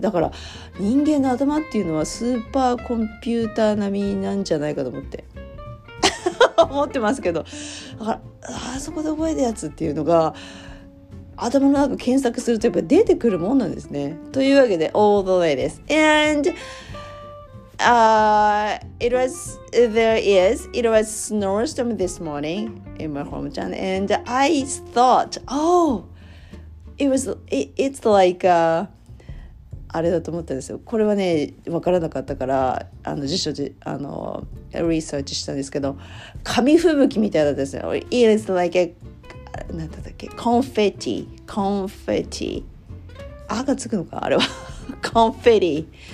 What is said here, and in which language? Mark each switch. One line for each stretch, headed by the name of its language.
Japanese: だから人間の頭っていうのはスーパーコンピューター並みなんじゃないかと思って思ってますけど、だからあそこで覚えたやつっていうのが頭の中検索するとやっぱ出てくるもんなんですね。というわけで
English: All the way
Japanese: です。
English: AndIt was snowstorm this morning in my hometown, and I thought, oh, it's like a,
Japanese: あれだと思ったんですよ。これはね、わからなかったから、あの辞書で、あの、リサーチしたんですけど、紙吹雪みたいだったんですよ。
English: It is like a,
Japanese: なんだったっけ、confetti。あがつくのか、あれは。confetti。